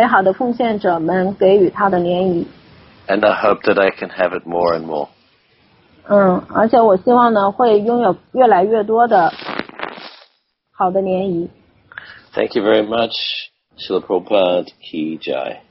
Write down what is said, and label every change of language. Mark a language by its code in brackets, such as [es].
[zh] 帕布非常感谢这美好的奉献者们给予他的联谊。 [en] And I hope that I can have it more and more. [zh] 而且我希望呢，会拥有越来越多的好的联谊。 [en] Thank you very much, Srila Prabhupada Ki Jai.